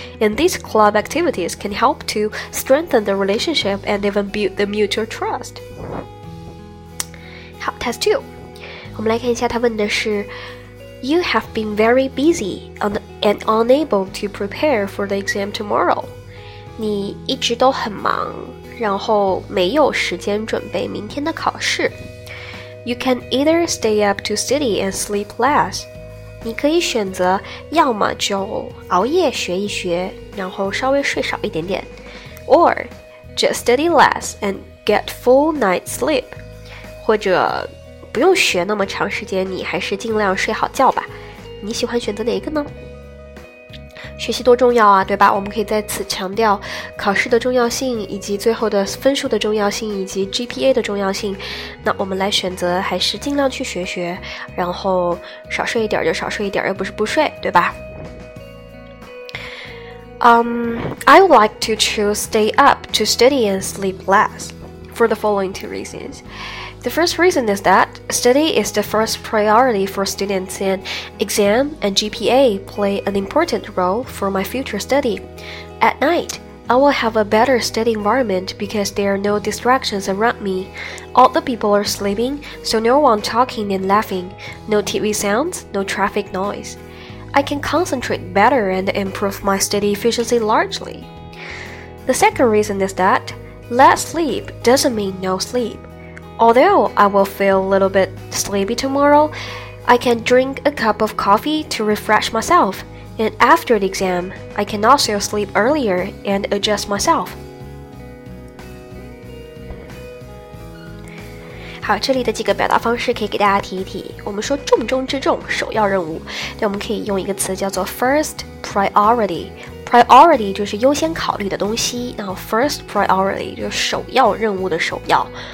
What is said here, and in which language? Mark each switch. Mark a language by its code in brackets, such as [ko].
[en] And these club activities can help to strengthen the relationship and even build the mutual trust. [zh] 好 ,test 2. 我们来看一下他问的是 [en] You have been very busy and unable to prepare for the exam tomorrow. [zh] 你一直都很忙，然后没有时间准备明天的考试。 [en] You can either stay up to study and sleep less. [zh] 你可以选择要么就熬夜学一学，然后稍微睡少一点点。 [en] Or just study less and get full night sleep. [zh] 或者不用学那么长时间，你还是尽量睡好觉吧。你喜欢选择哪一个呢？学习多重要啊，对吧？我们可以在此强调考试的重要性，以及最后的分数的重要性，以及 GPA 的重要性。那我们来选择，还是尽量去学学，然后少睡一点就少睡一点，又不是不睡，对吧？ [en] I would like to choose stay up to study and sleep less for the following 2 reasons. The first reason is that study is the first priority for students and exam and GPA play an important role for my future study. At night, I will have a better study environment because there are no distractions around me. All the people are sleeping, so no one talking and laughing, no TV sounds, no traffic noise. I can concentrate better and improve my study efficiency largely. The second reason is that less sleep doesn't mean no sleep. Although I will feel a little bit sleepy tomorrow, I can drink a cup of coffee to refresh myself, and after the exam, I can also sleep earlier and adjust myself. [zh] 好，这里的几个表达方式可以给大家提一提。我们说重中之重，首要任务，那我们可以用一个词叫做 first priority。 Priority 就是优先考虑的东西，然后 first priority 就是首要任务的首要。